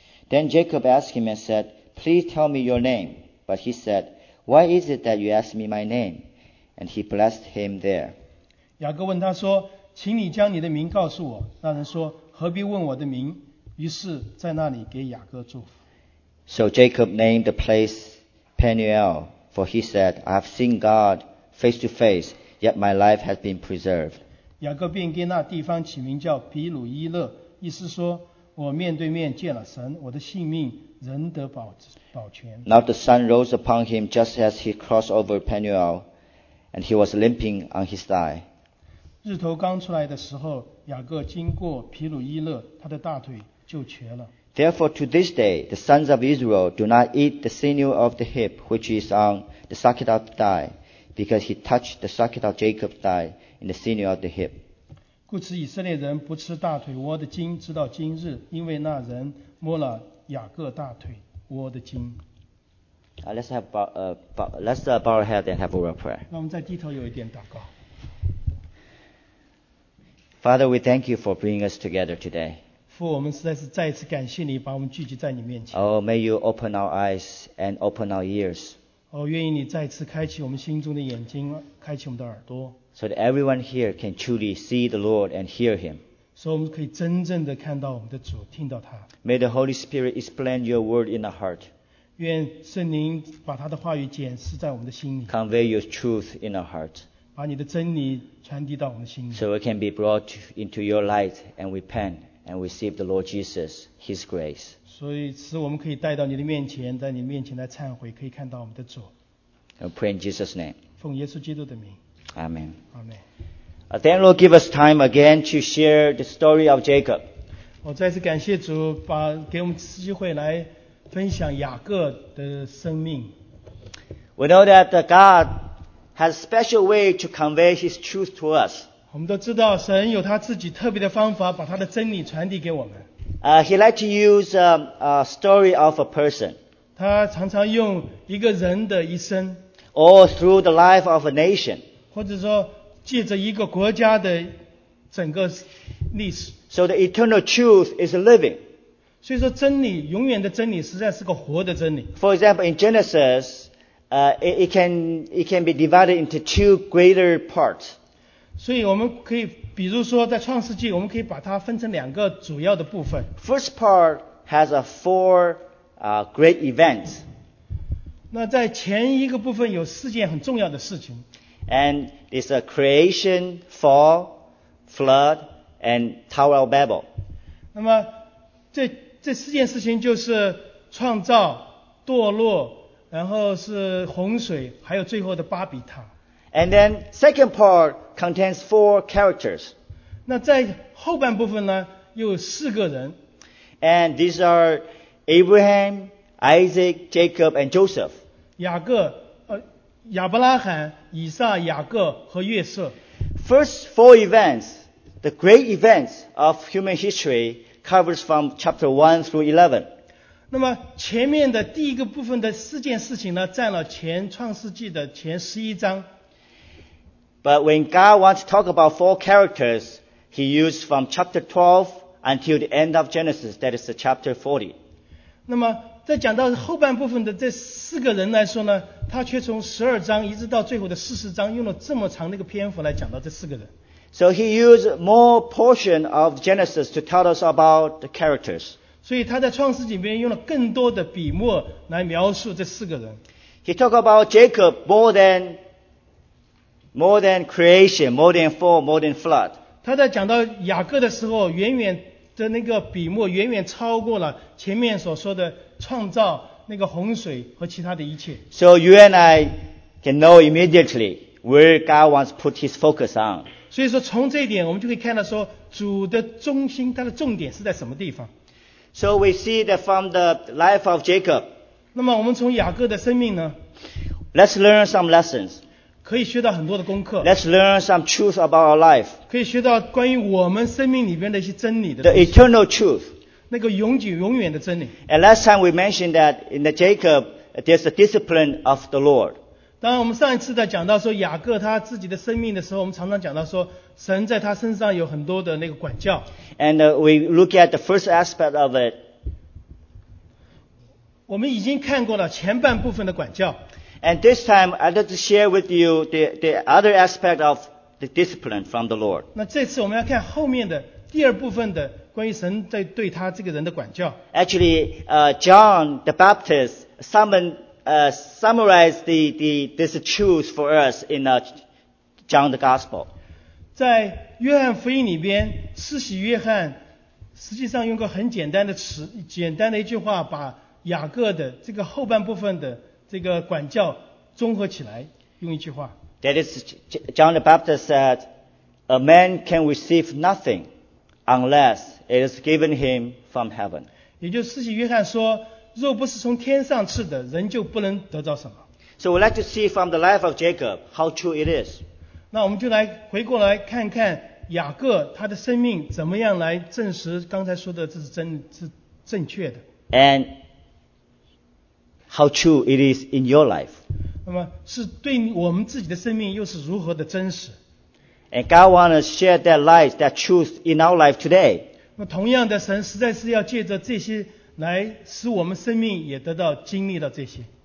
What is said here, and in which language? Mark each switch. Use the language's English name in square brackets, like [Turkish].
[English] Then Jacob asked him and said, "Please tell me your name." But he said, "Why is it that you ask me my name?" And he blessed him there. [Chinese] 雅各问他说，请你将你的名告诉我。那人说，何必问我的名？于是在那里给雅各祝福。 [English] So Jacob named the place Peniel, for he said, "I have seen God face to face, yet my life has been preserved." [Chinese] 雅各便给那地方起名叫比鲁伊勒，意思说，我面对面见了神，我的性命仍得保全。 [English] Now the sun rose upon him just as he crossed over Peniel, and he was limping on his thigh. [Chinese] 日头刚出来的时候，雅各经过皮鲁伊勒，他的大腿就瘸了。 [English] Therefore, to this day, the sons of Israel do not eat the sinew of the hip, which is on the socket of the thigh, because he touched the socket of Jacob's thigh in the sinew of the hip. [Chinese] 故此以色列人不吃大腿窝的筋，直到今日，因为那人摸了雅各大腿窝的筋。 [English] Let's bow our head and have a word of prayer. [Chinese] 那我们再低头有一点祷告。 [English] Father, we thank you for bringing us together today. [Chinese] 父，我们实在是再一次感谢你，把我们聚集在你面前。 [English] Oh, may you open our eyes and open our ears. [Chinese] 哦，愿意你再次开启我们心中的眼睛，开启我们的耳朵。 [English] So that everyone here can truly see the Lord and hear Him. [Chinese] 所以我们可以真正的看到我们的主，听到他。 [English] May the Holy Spirit explain your word in our heart. [Chinese] 愿圣灵把他的话语检视在我们的心里。 [English] Convey your truth in our heart. [Chinese] 把你的真理传递到我们的心里。 [English] So we can be brought into your light and repent and receive the Lord Jesus, His grace. [Chinese] 所以使我们可以带到你的面前，在你面前来忏悔，可以看到我们的主。 [English] I pray in Jesus' name. [Chinese] 奉耶稣基督的名。 [English] Amen. Amen. Then Lord, give us time again to share the story of Jacob. [Chinese] 我再次感谢主，把给我们机会来分享雅各的生命。 [English] We know that God. Has a special way to convey His truth to us. [Chinese] 我们都知道，神有他自己特别的方法，把他的真理传递给我们。 [English] He likes to use a story of a person. [Chinese] 他常常用一个人的一生。 [English] Or through the life of a nation. [Chinese] 或者说，借着一个国家的整个历史。 [English] So the eternal truth is living. [Chinese] 所以说，真理永远的真理实在是个活的真理。 [English] For example, in Genesis. It can be divided into two greater parts. [Chinese] 所以我们可以，比如说在创世纪，我们可以把它分成两个主要的部分。 [English] First part has a four great events. [Chinese] 那在前一个部分有四件很重要的事情。 [English] And it's a creation, fall, flood, and Tower of Babel. [Chinese] 那么这四件事情就是创造、堕落。然后是洪水，还有最后的巴比塔。 [English] And then second part contains four characters. [Chinese] 那在后半部分呢，又有四个人。 [English] And these are Abraham, Isaac, Jacob, and Joseph. [Chinese] 雅各，亚伯拉罕、以撒、雅各和约瑟。 [English] First four events, the great events of human history, covers from chapter 1 through 11. [Chinese] 那么前面的第一个部分的四件事情呢，占了前创世纪的前十一章。 [English] But when God wants to talk about four characters, He used from chapter 12 until the end of Genesis, that is the chapter 40. [Chinese] 那么在讲到后半部分的这四个人来说呢，他却从十二章一直到最后的四十章，用了这么长的一个篇幅来讲到这四个人。 [English] So he used more portion of Genesis to tell us about the characters. [Chinese] 所以他在创世纪里面用了更多的笔墨来描述这四个人。 [English] He talked about Jacob more than creation, more than fall, more than flood. [Chinese] 他在讲到雅各的时候，远远的那个笔墨远远超过了前面所说的创造那个洪水和其他的一切。 [English] So you and I can know immediately where God wants to put His focus on. [Chinese] 所以说从这一点我们就可以看到说主的中心他的重点是在什么地方。 [English] So we see that from the life of Jacob. [Chinese] 那么我们从雅各的生命呢 [English] ？Let's learn some lessons. [Chinese] 可以学到很多的功课。 [English] Let's learn some truth about our life. [Chinese] 可以学到关于我们生命里边的一些真理的。 [English] The eternal truth. [Chinese] 那个永久永远的真理。 [English] And last time we mentioned that in the Jacob, there's the discipline of the Lord. [Chinese] 当然，我们上一次在讲到说雅各他自己的生命的时候，我们常常讲到说神在他身上有很多的那个管教。 [English] And we look at the first aspect of it. [Chinese] 我们已经看过了前半部分的管教。 [English] And this time, I'd like to share with you the other aspect of the discipline from the Lord. [Chinese] 那这次我们要看后面的第二部分的关于神在对他这个人的管教。 [English] Actually, John the Baptist summarized this truth for us in John the Gospel. [Chinese] 在约翰福音里边，施洗约翰实际上用个很简单的词，简单的一句话，把雅各的这个后半部分的这个管教综合起来，用一句话。 [English] That is, John the Baptist said, "A man can receive nothing unless it is given him from heaven." [Chinese] 也就是施洗约翰说，若不是从天上赐的，人就不能得到什么。 [English] So we'd like to see from the life of Jacob how true it is. [Chinese] 那我们就来回过来看看雅各他的生命怎么样来证实刚才说的这是真是正确的。 [English] And how true it is in your life. [Chinese] 那么是对我们自己的生命又是如何的真实。 [English] And God wants to share that light, that truth in our life today. [Chinese] 那同样的，神实在是要借着这些来使我们生命也得到经历到这些。